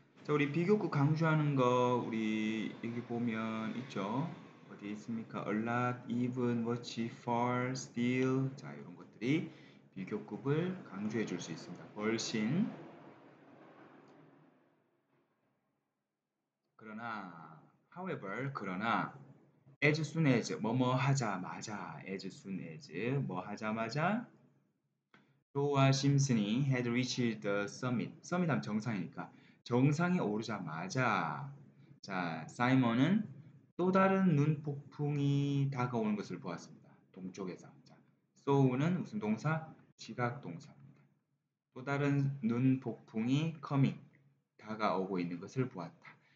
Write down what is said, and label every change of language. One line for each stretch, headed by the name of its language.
Korean: 자, 우리 비교급 강조하는 거 우리 여기 보면 있죠? 어디 있습니까?
English: A lot, even, much, far, still.
Korean: 자, 이런 것들이 비교급을 강조해 줄수 있습니다. 훨씬. 그러나,
English: however, 그러나, as soon as,
Korean: 뭐뭐 하자마자,
English: as soon as,
Korean: 뭐 하자마자, 조와 심슨이
English: had reached the summit.
Korean: summit 하면 정상이니까. 정상에 오르자마자 자 사이먼은 또 다른 눈 폭풍이 다가오는 것을 보았습니다. 동쪽에서 자 소우는 무슨 동사? 지각 동사입니다. 또 다른 눈 폭풍이 커밍 다가오고 있는 것을 보았다.